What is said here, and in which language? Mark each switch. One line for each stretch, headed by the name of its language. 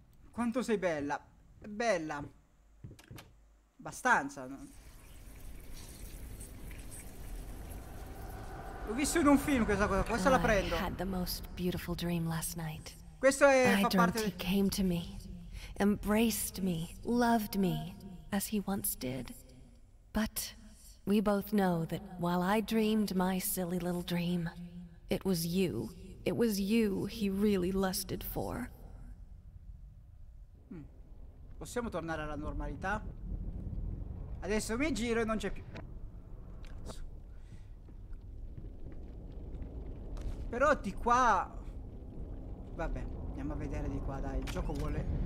Italian: Quanto sei bella. Bella. Abbastanza. L'ho visto in un film questa cosa. Questa la prendo.
English: I had the most beautiful dream last night.
Italian: Questo è fa parte.
English: He came to me, embraced me, loved me as he once did. But we both know that while I dreamed my silly little dream, it was you. It was you he really lusted for.
Italian: Possiamo tornare alla normalità? Adesso mi giro e non c'è più. Però di qua... Vabbè, andiamo a vedere di qua, dai. Il gioco vuole...